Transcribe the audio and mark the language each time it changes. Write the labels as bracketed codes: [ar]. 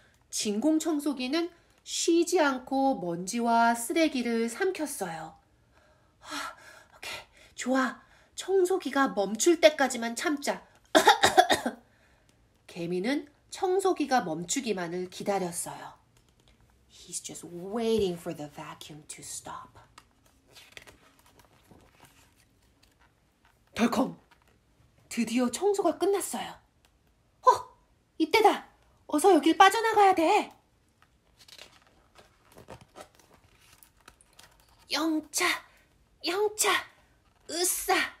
[ko] 진공 청소기는 쉬지 않고 먼지와 쓰레기를 삼켰어요. 좋아. 청소기가 멈출 때까지만 참자. 개미는 청소기가 멈추기만을 기다렸어요. [en] He's just waiting for the vacuum to stop. [ko] 덜컹! 드디어 청소가 끝났어요. 이때다! 어서 여길 빠져나가야 돼! 영차! 영차! 으쌰!